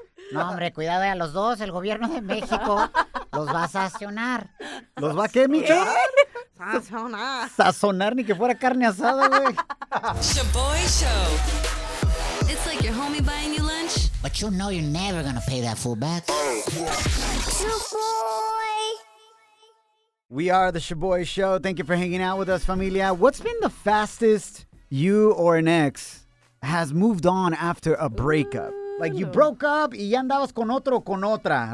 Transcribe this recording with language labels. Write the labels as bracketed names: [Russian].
[Spanish] No, hombre, cuidado a los dos. El gobierno de México los va a sancionar. ¿Los va a qué, Micho? Sazonar. Sazonar ni que fuera carne asada, güey. [English] Shoboy Show. It's like your homie buying you lunch. But you know you're never gonna pay that full back. Shoboy. We are the Shoboy Show. Thank you for hanging out with us, familia. What's been the fastest you or an ex has moved on after a breakup? Ooh. Like, you broke up [Spanish] y ya andabas con otro o con otra.